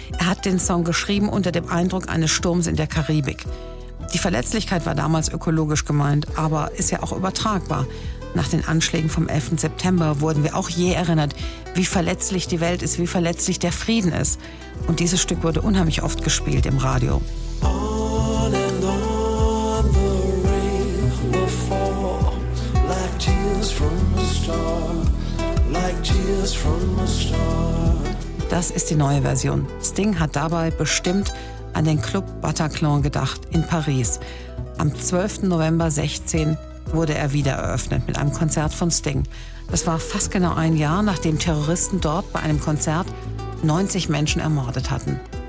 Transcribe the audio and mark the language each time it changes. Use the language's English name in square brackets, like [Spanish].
[German] Er hat den Song geschrieben unter dem Eindruck eines Sturms in der Karibik. Die Verletzlichkeit war damals ökologisch gemeint, aber ist ja auch übertragbar. Nach den Anschlägen vom 11. September wurden wir auch jäh erinnert, wie verletzlich die Welt ist, wie verletzlich der Frieden ist. Und dieses Stück wurde unheimlich oft gespielt im Radio. [English] On and on the rain will fall, like tears from a star, like tears from a star. [German] Das ist die neue Version. Sting hat dabei bestimmt an den Club Bataclan gedacht in Paris. Am 12. November 16 wurde er wieder eröffnet mit einem Konzert von Sting. Das war fast genau ein Jahr, nachdem Terroristen dort bei einem Konzert 90 Menschen ermordet hatten.